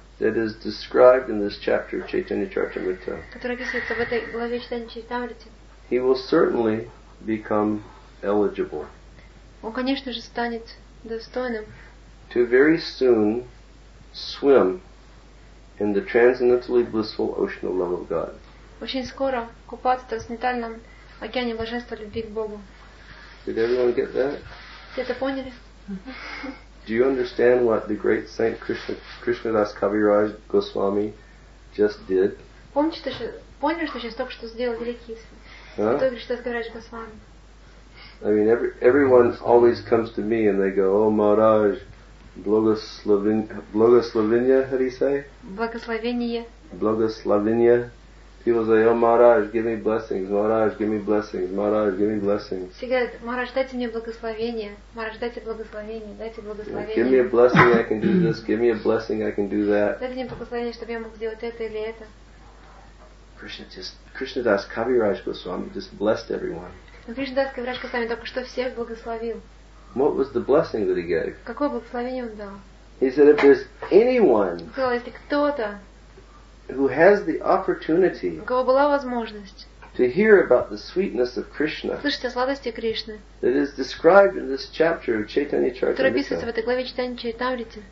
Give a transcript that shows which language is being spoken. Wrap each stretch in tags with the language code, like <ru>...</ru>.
<en>That is described in this chapter, Chaitanya Charitamrita.</en> <ru>Которое описывается в этой главе Чайтанья Чаритамриты.</ru> <en>He will certainly become eligible.</en> <ru>Он, конечно же, станет достойным.</ru> <en>To very soon swim in the transcendentally blissful ocean of love of God.</en> <ru>Очень скоро купаться в трансцендентальном океане блаженства любви к Богу.</ru> <en>Did everyone get that?</en> <ru>Все это поняли?</ru> <en>Do you understand what the great saint Krishnadas Kaviraj Goswami just did?</en> <ru>Помнишь, что сейчас только что сделал великий святой Кришнадас Кавираж Госвами?</ru> <en>I mean, everyone always comes to me and they go, "Oh, Maharaj, blagoslovenie, how do you say?"</en> <ru>Благословение. Благословение.</ru> <en>People say, "Oh, Maharaj, give me blessings. Maharaj, give me blessings. Maharaj, give me blessings."</en> <ru>Все говорят, "Maharaj, дайте мне благословение. Maharaj, дайте благословение. Дайте благословение."</ru> <en>Give me a blessing, I can do this. Give me a blessing, I can do that.</en> <ru>Дайте мне благословение, чтобы я мог сделать это или это.</ru> <en>Krishnadas Kaviraj Goswami just blessed everyone.</en> <ru>Krishnadas Kaviraj Goswami только что всех благословил.</ru> <en>What was the blessing that he gave?</en> <ru>Какое благословение он дал?</ru> <en>He said, "If there's anyone."</en> <ru>Сказал, если кто-то.</ru> <en>Who has the opportunity?</en> <ru>У кого была возможность?</ru> <en>To hear about the sweetness of Krishna.</en> <ru>Слышать о сладости Кришны.</ru> <en>That is described in this chapter of Chaitanya Charitamrita.</en> <ru>Которое описывается в этой главе Чайтанья Чаритамриты.</ru>